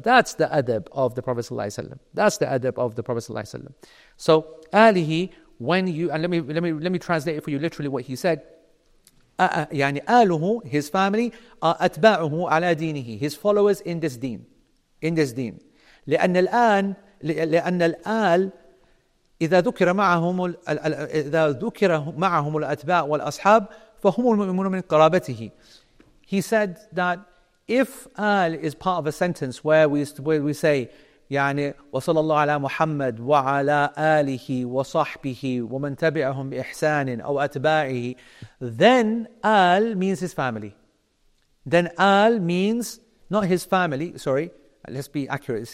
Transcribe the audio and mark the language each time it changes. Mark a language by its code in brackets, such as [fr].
[en] That's the adab of the Prophet sallallahu alaihi wasallam. That's the adab of the Prophet sallallahu alaihi wasallam. So alihi, when you, and let me translate it for you literally what he said. [ar] يعني آله, [en] his family, [ar] أتباعه على دينه, [en] his followers in this deen, in this deen. [ar] لأن الآن, لأن الآل إذا ذكر معهم, إذا ذكر معهم الأتباع والأصحاب فهم المؤمنون من قرابته. [en] He said that if آل is part of a sentence where we say [ar] يعني وصلى الله على محمد وعلى آله وصحبه ومن تبعهم بإحسان أو أتباعه, [en] then آل means his family, then آل means not his family, sorry, let's be accurate.